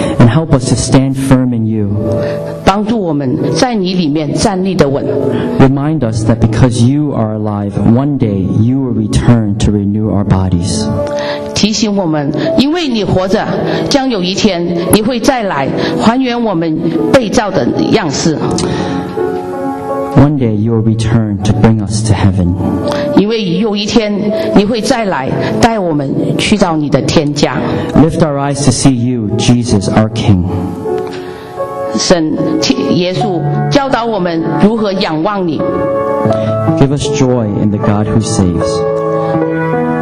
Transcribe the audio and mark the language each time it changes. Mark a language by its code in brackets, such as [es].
[en] And help us to stand firm in you. [zh] 帮助我们在你里面站立得稳。 [en] Remind us that because you are alive, one day you will return to renew our bodies. [zh] 提醒我们，因为你活着，将有一天你会再来，还原我们被造的样式。 [en] One day you will return to bring us to heaven. [zh] 因为有一天你会再来，带我们去到你的天家。 [en] Lift our eyes to see you, Jesus, our King. [zh] 神耶稣教导我们如何仰望你。 [en] Give us joy in the God who saves.